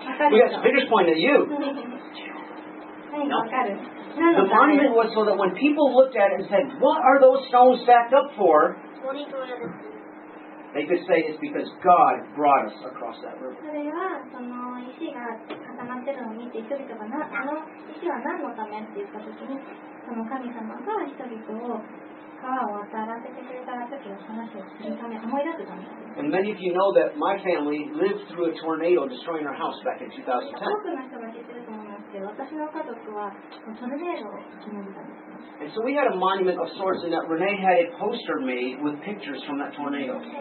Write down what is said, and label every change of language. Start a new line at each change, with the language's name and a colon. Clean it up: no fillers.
English: We got the biggest point of you.
Japanese: 何かわかる?
English: The monument was so that when people looked at it and said, what are those stones stacked up for? They could say it's because God brought us across that river.
Japanese: それはその石が固まってるのを見て人々がなあの石は何のためって言った時にその神様が人々を川を渡らせてくれた時の話をするため思い出すため。
English: And many of you know that my family lived through a tornado destroying our house back in 2010.
Japanese: 多くの人が知ってると思いますけど私の家族はトルネードを生き延びたんです。
English: And so we had a monument of sorts, and that Renee had a poster made with pictures from that tornado.